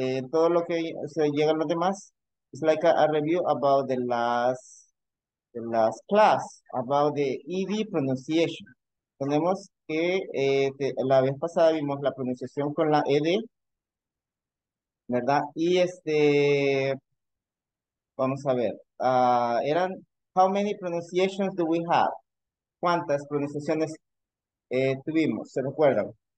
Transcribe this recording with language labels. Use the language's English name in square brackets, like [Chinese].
[Spanish] Todo lo que se llega a los demás. [English] It's like a review about the last class, about the ED pronunciation. [Spanish] Tenemos que, la vez pasada vimos la pronunciación con la ED, ¿verdad? Y este, vamos a ver, eran, [English] how many pronunciations do we have? [Spanish] ¿Cuántas pronunciaciones tuvimos? ¿Se recuerdan?